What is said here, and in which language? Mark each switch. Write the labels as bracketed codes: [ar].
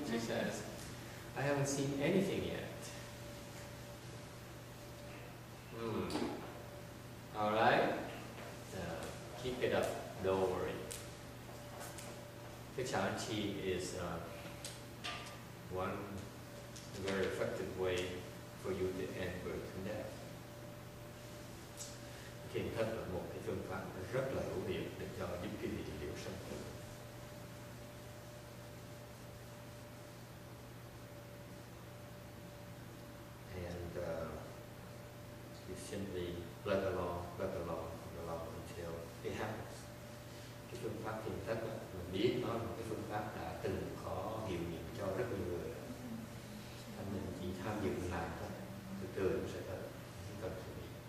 [en] She says, I haven't seen anything yet. All right. Keep it up. Don't worry. The Chan Chi is one very effective way for you to end birth and death. [vi] Thiền thất là một cái phương pháp rất là hữu hiệu để cho giúp quý vị liễu sanh tử. [en] And you simply let along until it happens. [vi] Cái phương pháp thiền thất là biết nó là một cái phương pháp đã từng có hiệu nghiệm cho rất nhiều người. Anh mình chỉ tham dự làm thôi, từ từ cũng sẽ tới, không cần chuẩn bị.